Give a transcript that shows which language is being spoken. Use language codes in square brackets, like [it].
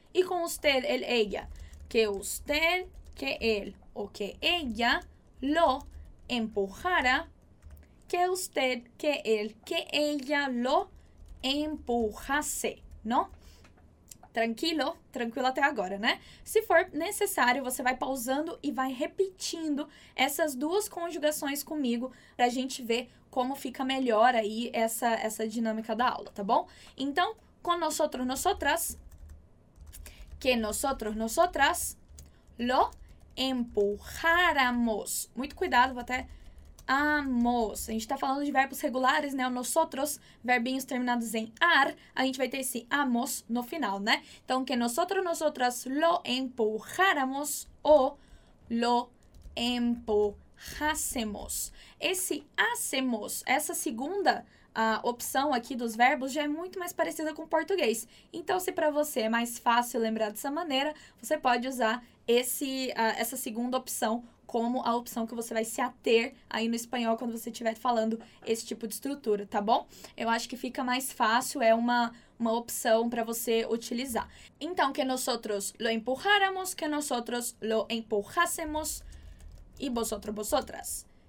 [es] Y con usted, él, ella, que usted, que él o que ella lo empujara, que usted, que él, que ella lo empujase, ¿no? [pt] Tranquilo, tranquilo até agora, né? Se for necessário, você vai pausando e vai repetindo essas duas conjugações comigo pra gente ver como fica melhor aí essa dinâmica da aula, tá bom? [es] Então, con nosotros, nosotras, que nosotros, nosotras, lo empujáramos. [pt] Muito cuidado, vou até... Amos. A gente tá falando de verbos regulares, né? O nosotros, verbinhos terminados em ar, a gente vai ter esse amos no final, né? [es] Então, que nosotros, nosotras, lo empujáramos o lo empujásemos. [pt] Esse hacemos, essa segunda opção aqui dos verbos, já é muito mais parecida com o português. Então, se para você é mais fácil lembrar dessa maneira, você pode usar essa segunda opção como a opção que você vai se ater aí no espanhol quando você estiver falando esse tipo de estrutura, tá bom? Eu acho que fica mais fácil, é uma opção para você utilizar. Então, [es] que nosotros lo empujáramos, que nosotros lo empujásemos, [pt] e vosotros, vosotras.